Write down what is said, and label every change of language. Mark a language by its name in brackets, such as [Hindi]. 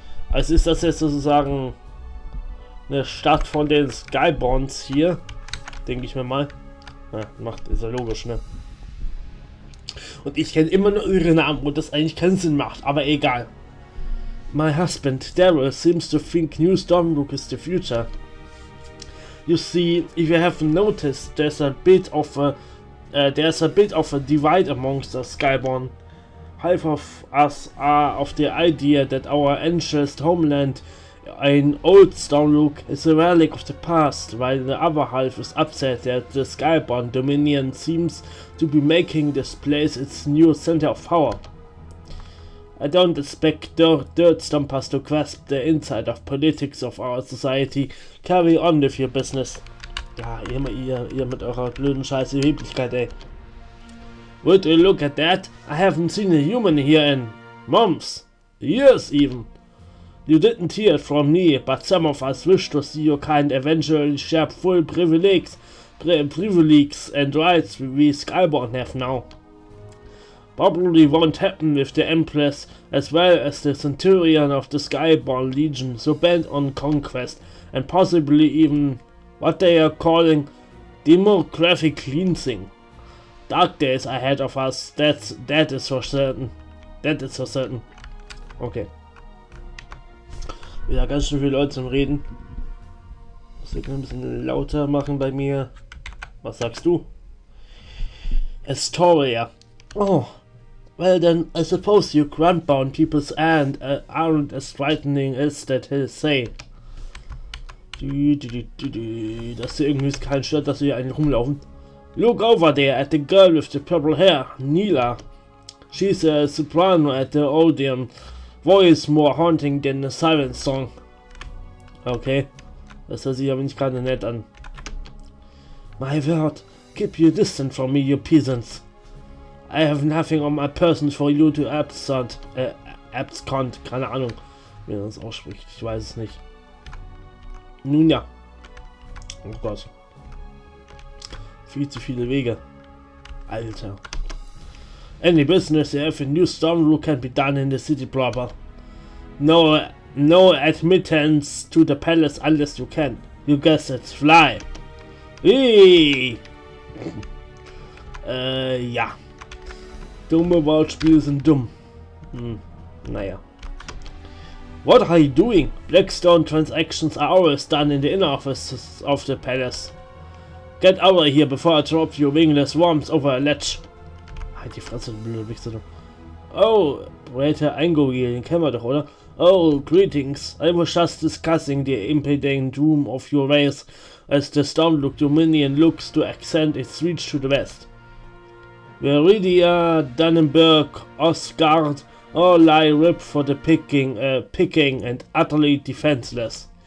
[German] Also ist das jetzt sozusagen eine Stadt von den Skyborns hier, denke ich mir mal. Ja, macht, ist ja logisch, ne? Und ich kenne immer nur ihre Namen, wo das eigentlich keinen Sinn macht, aber egal. [English] My husband, Daryl, seems to think New Stormbrook is the future. You see, if you haven't noticed, there's a bit of a divide amongst the Skyborn. Half of us are of the idea that our ancient homeland, an old Stormbrook, is a relic of the past, while the other half is upset that the Skyborn Dominion seems to be making this place its new center of power. I don't expect dirt stompers to grasp the inside of politics of our society. Carry on with your business. [German] Ja, ihr mit eurer blöden Scheiße Hebeligkeit, ey. [English] Would you look at that? I haven't seen a human here in months, years even. You didn't hear it from me, but some of us wish to see your kind eventually share full privileges and rights we Skyborn have now. Probably won't happen with the Empress as well as the Centurion of the Skyborn Legion, so bent on conquest and possibly even what they are calling demographic cleansing. Dark days ahead of us, that is for certain. [German] Okay. Wieder ganz schön viele Leute zum Reden. Muss ich ein bisschen lauter machen bei mir. Was sagst du? Astoria. Oh. [English] Well then, I suppose you grunt-bound people's and aren't as frightening as that he'll say. [German] Das ist irgendwie kein Schild, dass wir eigentlich rumlaufen. [English] Look over there at the girl with the purple hair, Neela. She's a soprano at the Odeon. Voice more haunting than a siren song. [German] Okay, das hört sich aber nicht gerade nett an. [English] My word, keep you distant from me, you peasants. I have nothing on my person for you to abscond, [German] keine Ahnung, wie man das ausspricht, ich weiß es nicht. Nun ja. Oh Gott. Viel zu viele Wege. Alter. [English] Any business you have in New Stormbrook can be done in the city proper. No admittance to the palace unless you can. You guessed it, fly! Ja. [German] Dumme Wortspiele sind dumm. Naja. [English] What are you doing? Blackstone transactions are always done in the inner office of the palace. Get over here before I drop you wingless worms over a ledge. [German] Halt die Fresse, du blöde Wichser. Oh, Bräter Eingogel, den kennen wir doch, oder? [English] Oh, greetings. I was just discussing the impending doom of your race as the Stormlook Dominion looks to extend its reach to the west. Viridia, Dannenberg, Osgard, all lie ripe for the picking and utterly defenseless.